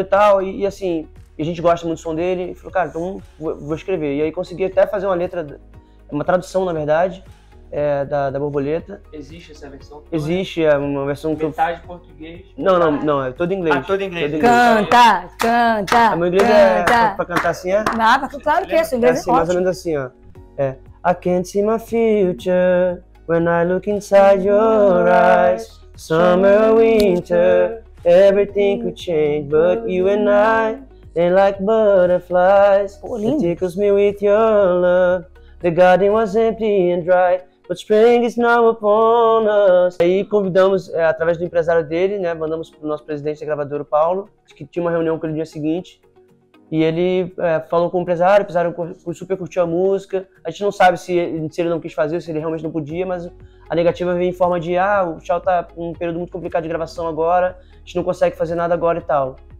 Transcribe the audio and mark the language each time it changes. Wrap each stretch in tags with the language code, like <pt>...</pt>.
<pt>E tal, e assim, a gente gosta muito do som dele. E falou, cara, então vou escrever. E aí consegui até fazer uma letra, uma tradução, na verdade, da borboleta. Existe essa versão? Toda? Existe, é uma versão metade que eu... Metade português? Não, é todo inglês. Ah, todo inglês. Canta! A meu inglês canta. É pra cantar assim, é? Não, claro que é, seu inglês é assim, mais ou menos assim, ó. É.</pt> <en>I can't see my future when I look inside your eyes. Summer or winter, everything could change but you and I. And like butterflies, it tickles me with your love. The garden was empty and dry, but spring is now upon us.</en> <pt>Aí convidamos, através do empresário dele, né, mandamos pro nosso presidente da gravadora, o Paulo, que tinha uma reunião com ele no dia seguinte, e ele falou com o empresário super curtiu a música. A gente não sabe se ele não quis fazer, se ele realmente não podia, mas a negativa veio em forma de, o Shawn tá num período muito complicado de gravação agora, a gente não consegue fazer nada agora e tal.</pt>